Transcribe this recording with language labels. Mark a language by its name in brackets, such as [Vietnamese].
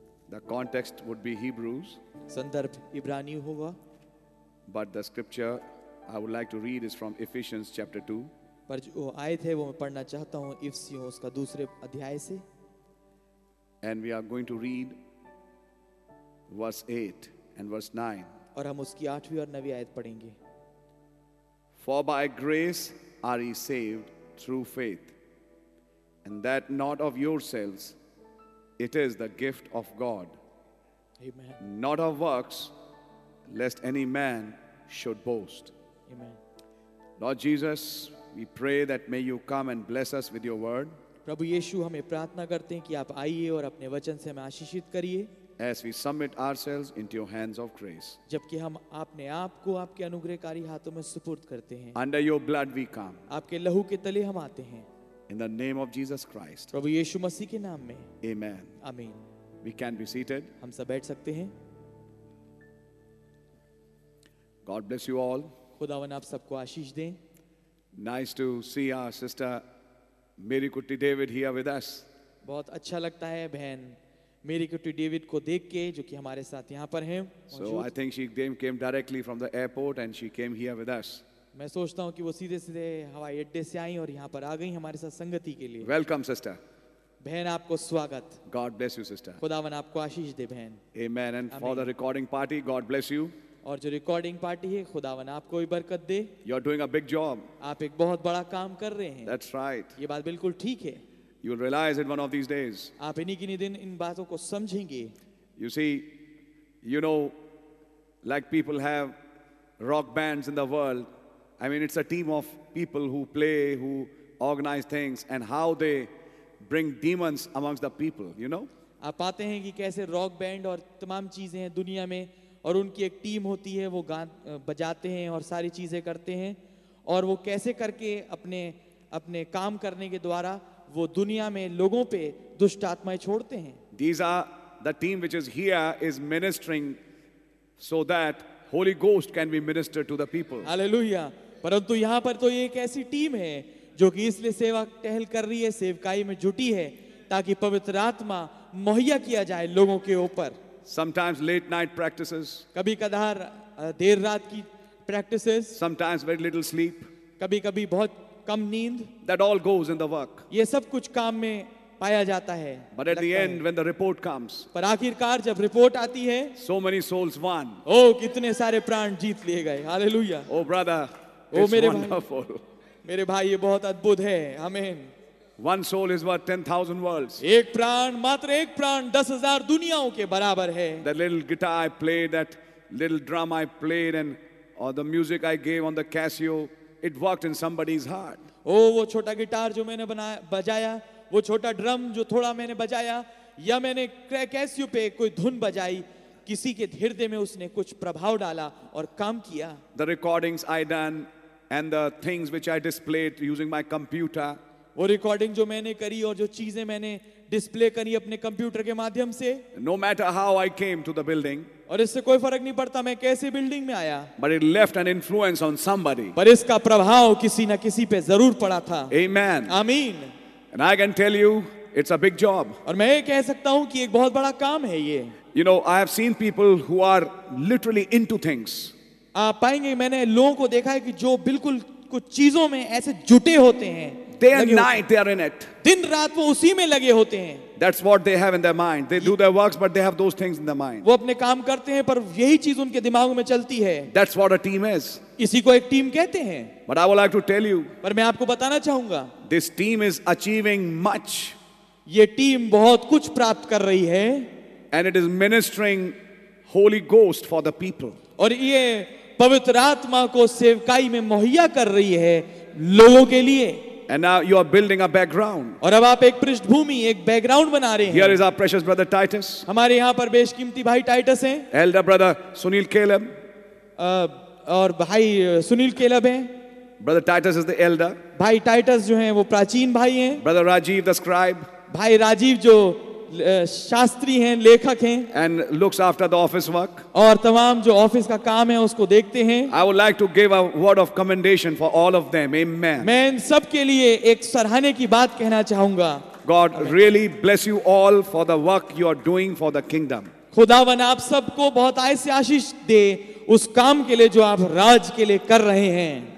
[English] The context would be Hebrews. [Hindi] संदर्भ इब्रानी होगा. [English] But the scripture I would like to read is from Ephesians chapter 2. [Hindi] पर जो आयत है वो मैं पढ़ना चाहता हूँ इफिसियों का दूसरे अध्याय से. [English] And we are going to read verse 8 and verse 9. [Hindi] और हम उसकी आठवीं और नवीं आयत पढ़ेंगे. [English] For by grace are ye saved through faith. And that not of yourselves, it is the gift of God. Amen. Not of works, lest any man should boast. Amen. Lord Jesus, we pray that may you come and bless us with your word. [Hindi] प्रभु यीशु हमें प्रार्थना करते हैं कि आप आइए और अपने वचन से हमें आशीषित करिए. [English] As we submit ourselves into your hands of grace. [Hindi] जबकि हम अपने आप को आपके अनुग्रहकारी हाथों में सुपुर्द करते हैं. [English] Under your blood we come. [Hindi] आपके लहू के तले हम आते हैं. [English] In the name of Jesus Christ. [Hindi] प्रभु यीशु मसीह के नाम में. [English] Amen. Amen. We can be seated. [Hindi] हम सब बैठ सकते हैं. [English] God bless you all. [Hindi] खुदावन आप सबको आशीष दें. [English] Nice to see our sister Mary Kutty David here with us. [Hindi] बहुत अच्छा लगता है बहन मेरी कुटी डेविड को देख के जो कि हमारे साथ यहाँ पर हैं [English] so I think she came directly from the airport and she came here with us [Hindi] मैं सोचता हूँ कि वो सीधे सीधे हवाई अड्डे से आई और यहाँ पर आ गई हमारे साथ संगति के लिए [English] welcome sister [Hindi] बहन आपको स्वागत [English] God bless you sister [Hindi] खुदावन आपको आशीष दे बहन [English] amen and for the recording party God bless you [Hindi] और जो रिकॉर्डिंग पार्टी है खुदावन आपको भी बरकत दे [English] you are doing a big job [Hindi] आप एक बहुत बड़ा काम कर रहे हैं [English] that's right [Hindi] ये बात बिल्कुल ठीक है [English] you will realise it one of these days [Hindi] आप इन्हीं किन्हीं दिन इन बातों को समझेंगे [English] You see you know like people have rock bands in the world I mean, it's a team of people who play, who organize things, and how they bring demons amongst the people. You know? [Hindi] आप पाते हैं कि कैसे rock band और तमाम चीजें हैं दुनिया में और उनकी एक टीम होती है वो गान बजाते हैं और सारी चीजें करते हैं और वो कैसे करके अपने अपने काम करने के द्वारा वो दुनिया में लोगों पे दुष्ट आत्माएं छोड़ते हैं. [English] These are the team which is here is ministering so that. Holy Ghost can be ministered to the people. Hallelujah. [Hindi] परंतु यहाँ पर तो ये एक ऐसी टीम है जो कि इसलिए सेवा टहल कर रही है, सेवकाई में जुटी है, ताकि पवित्र आत्मा मुहैया किया जाए लोगों के ऊपर. [English] Sometimes late night practices. [Hindi] कभी कदार देर रात की practices. [English] Sometimes very little sleep. [Hindi] कभी कभी बहुत कम नींद. [English] That all goes in the work. [Hindi] ये सब कुछ काम में पाया जाता है. [English] But at the end, when the report comes, [Hindi] पर आखिरकार जब रिपोर्ट आती है, [English] so many souls won. [Hindi] Oh, कितने सारे प्राण जीत लिए गए. [English] Hallelujah. Oh, brother, oh, it's wonderful. [Hindi] मेरे भाई ये बहुत अद्भुत है. [English] Amen. One soul is worth 10,000 worlds. [Hindi] एक प्राण मात्र एक प्राण 10,000 दुनियाओं के बराबर है. [English] That little guitar I played, that little drum I played, and or the music I gave on the Casio, it worked in somebody's heart. [Hindi] Oh, वो छोटा गिटार जो मैंने बजाया वो छोटा ड्रम जो थोड़ा मैंने बजाया या मैंने कैसियो पे कोई धुन बजाई किसी के हृदय में उसने कुछ प्रभाव डाला और काम किया. [English] The recordings I done and the things which I displayed using my computer. [Hindi] वो रिकॉर्डिंग जो मैंने करी और जो चीजें मैंने डिस्प्ले करी अपने कंप्यूटर के माध्यम से. [English] No matter how I came to the building. [Hindi] और इससे कोई फर्क नहीं पड़ता मैं कैसे बिल्डिंग में आया. [English] But it left an influence on somebody. [Hindi] पर इसका प्रभाव किसी न किसी पे जरूर पड़ा था. [English] Amen. [Hindi] आमीन. [English] And I can tell you, it's a big job. [Hindi] और मैं ये कह सकता हूँ कि एक बहुत बड़ा काम है ये. [English] You know, I have seen people who are literally into things. [Hindi] आप पाएंगे मैंने लोगों को देखा है कि जो बिल्कुल कुछ चीजों में ऐसे जुटे होते हैं. [English] Day and night, they are in it. [Hindi] दिन रात वो उसी में लगे होते हैं. [English] That's what they have in their mind. They do their works, but they have those things in their mind. [Hindi] वो अपने काम करते हैं पर यही चीज उनके दिमाग में चलती है. [English] That's what a team is. [Hindi] इसी को एक टीम कहते हैं. [English] But I would like to tell you. [Hindi] पर मैं आपको बताना चाहूंगा. [English] This team is achieving much. [Hindi] ये टीम बहुत कुछ प्राप्त कर रही है. [English] And it is ministering Holy Ghost for the people. [Hindi] और ये पवित्र आत्मा को सेवकाई में मुहैया कर रही है लोगों के लिए. [English] And now you are building a background. [Hindi] और अब आप एक पृष्ठभूमि एक बैकग्राउंड बना रहे हैं. [English] Here is our precious brother Titus. [Hindi] हमारे यहाँ पर बेशकीमती भाई टाइटस हैं. [English] Elder brother Sunil Caleb. [Hindi] और भाई सुनील केलब हैं. [English] Brother Titus is the elder. [Hindi] भाई टाइटस जो हैं वो प्राचीन भाई हैं. [English] Brother Rajiv the scribe. [Hindi] भाई राजीव जो शास्त्री हैं लेखक हैं. [English] And looks after the office work. [Hindi] और तमाम जो ऑफिस का काम है उसको देखते हैं. [English] I would like to give a word of commendation for all of them. Amen. [Hindi] मैं इन सब के लिए एक सराहने की बात कहना चाहूंगा. [English] God really bless you all for the work you are doing for the kingdom. [Hindi] खुदावन आप सबको बहुत आय से आशीष दे उस काम के लिए जो आप राज के लिए कर रहे हैं.